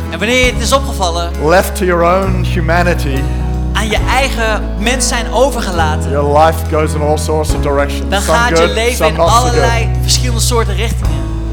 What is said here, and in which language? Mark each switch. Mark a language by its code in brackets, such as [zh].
[nl] En wanneer het is opgevallen. [en] Left to your own humanity. [nl] Aan je eigen mens zijn overgelaten. [en] Your life goes in all sorts of directions. [nl] Dan gaat je leven in allerlei verschillende soorten richtingen.